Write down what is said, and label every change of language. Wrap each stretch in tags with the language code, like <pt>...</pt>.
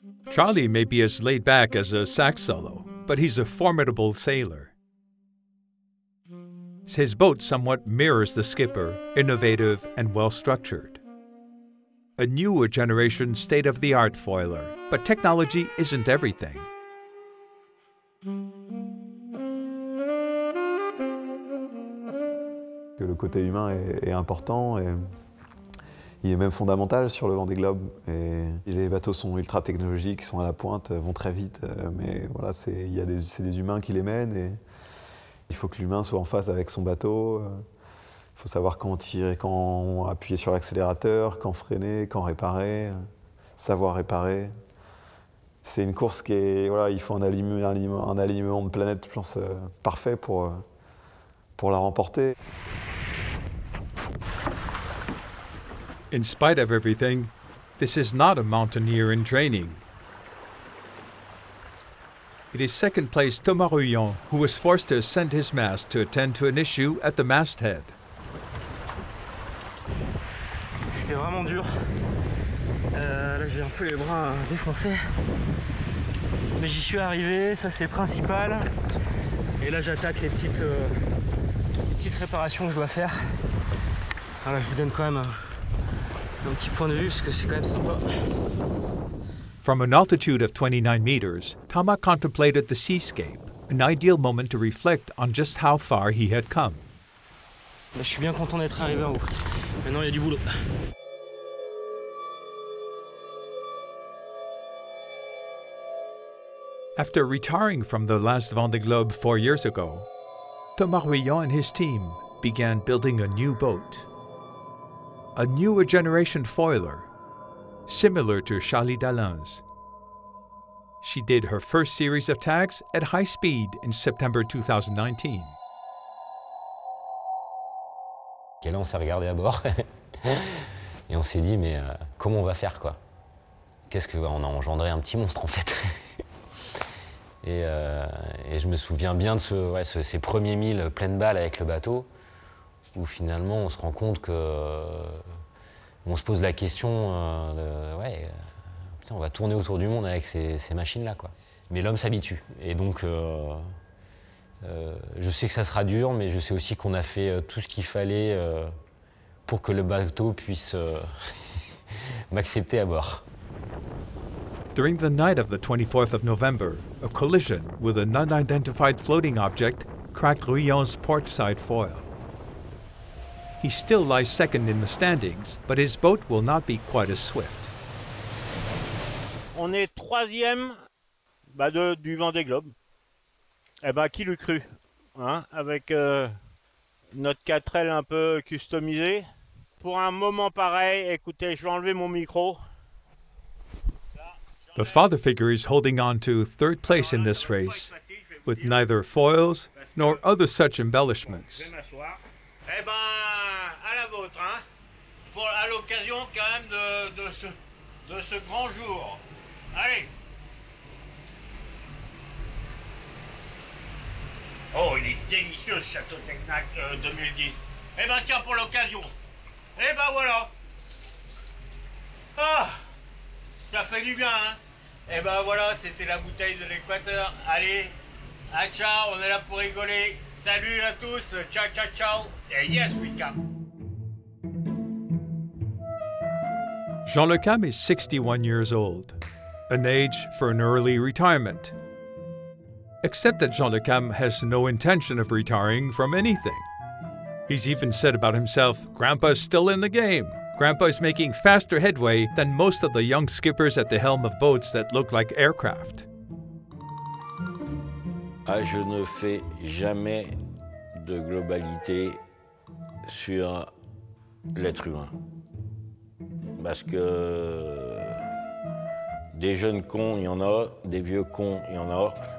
<en>Charlie may be as laid back as a sax solo, but he's a formidable sailor. His boat somewhat mirrors the skipper, innovative and well-structured. A newer generation state-of-the-art foiler, but technology isn't everything.</en> <fr>Le côté humain est important et il est même fondamental sur le Vendée Globe. Et les bateaux sont ultra technologiques, sont à la pointe, vont très vite, mais voilà, c'est des humains qui les mènent et il faut que l'humain soit en face avec son bateau. Il faut savoir quand tirer, quand appuyer sur l'accélérateur, quand freiner, quand réparer, savoir réparer. C'est une course qui est, voilà, il faut un alignement de planète, je pense, parfait pour la remporter.</fr> <en>In spite of everything, this is not a mountaineer in training. It is second place Thomas Rouillon who was forced to ascend his mast to attend to an issue at the masthead.</en> <fr>C'était vraiment dur. Là j'ai un peu les bras défoncés. Mais j'y suis arrivé, ça c'est le principal. Et là j'attaque les petites réparations que je dois faire. Alors là, je vous donne quand même un petit point de vue parce que c'est quand même sympa.</fr> <en>From an altitude of 29 meters, Thomas contemplated the seascape, an ideal moment to reflect on just how far he had come.</en> <fr>Là, je suis bien content d'être arrivé en haut. Maintenant, il y a du boulot.</fr> <en>After retiring from the last Vendée Globe 4 years ago, Thomas Rouillon and his team began building a new boat. A newer generation foiler, similar to Charlie Dalin's. She did her first series of tags at high speed in September 2019.</en> <fr>Et là, on s'est regardé à bord et on s'est dit, mais comment on va faire quoi? Qu'est-ce que on a engendré un petit monstre en fait? Et je me souviens bien de ces premiers milles pleines balles avec le bateau, où finalement on se rend compte que on se pose la question, on va tourner autour du monde avec ces machines-là, quoi. Mais l'homme s'habitue, et donc je sais que ça sera dur, mais je sais aussi qu'on a fait tout ce qu'il fallait pour que le bateau puisse m'accepter à bord.</fr> <en>During the night of the 24th of November, a collision with an unidentified floating object cracked Rouillon's port side foil. He still lies second in the standings, but his boat will not be quite as swift.</en> <fr>On est troisième du Vendée Globe. Eh ben, qui l'eût cru, hein? Avec notre 4L un peu customisé. Pour un moment pareil, écoutez, je vais enlever mon micro.</fr> <en>The father figure is holding on to third place in this race, with neither foils nor other such embellishments.</en> <fr>Eh ben, à la vôtre, hein. Pour, à l'occasion quand même de ce grand jour. Allez. Oh, il est délicieux ce Château Technac 2010. Eh ben tiens, pour l'occasion. Eh ben voilà. Ah, ça fait du bien, hein. Eh ben voilà, c'était la bouteille de l'Équateur. Allez, à ciao, on est là pour rigoler. Salut à tous, ciao, ciao, ciao. Et</fr> <en>yes, we come. Jean Le Cam is 61 years old, an age for an early retirement. Except that Jean Le Cam has no intention of retiring from anything. He's even said about himself, Grandpa's still in the game. Grandpa is making faster headway than most of the young skippers at the helm of boats that look like aircraft.</en> <fr>Ah, je ne fais jamais de globalité sur l'être humain. Parce que Des jeunes cons, il y en a. Des vieux cons, il y en a.</fr>